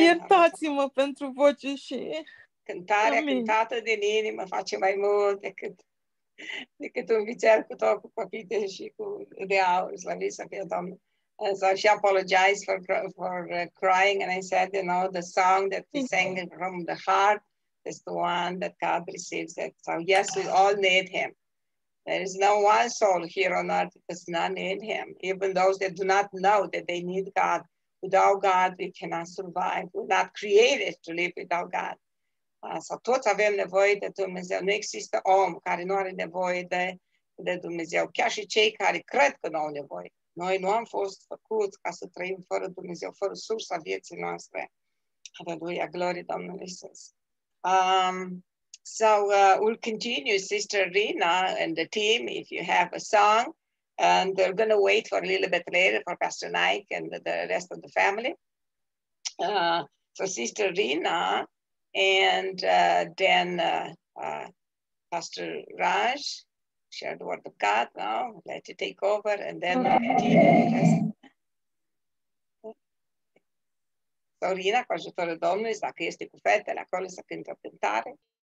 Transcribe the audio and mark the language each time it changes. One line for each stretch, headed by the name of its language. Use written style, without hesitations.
Romanian: Iertați-mă pentru voce și... Cântarea Amin. Cântată din inimă face mai mult decât un vițel cu tot cu păpite și cu de aur, slăvit să fie Domnul.
English: And so she apologized for crying, and I said, you know, the song that we sang from the heart is the one that God receives it. So yes, we all need him. There is no one soul here on earth that does not need him. Even those that do not know that they need God. Without God, we cannot survive. We're not created to live without God.
Romanian: Asta, toți avem nevoie de Dumnezeu. Nu există om care nu are nevoie de, de Dumnezeu. Chiar și cei care cred că nu au nevoie. Noi nu am fost făcuți ca să trăim fără Dumnezeu, fără sursa vieții noastre. Aleluia, glorie Domnului Iisus.
English: So we'll continue, Sister Rina and the team, if you have a song. And they're going to wait for a little bit later for Pastor Nike and the rest of the family. So Sister Rina and then Pastor Raj, share the word of God now. Let you take over and then the team.
Romanian: So Rina, cu ajutorul Domnului, dacă este cu fetele acolo, să cânte o cântare.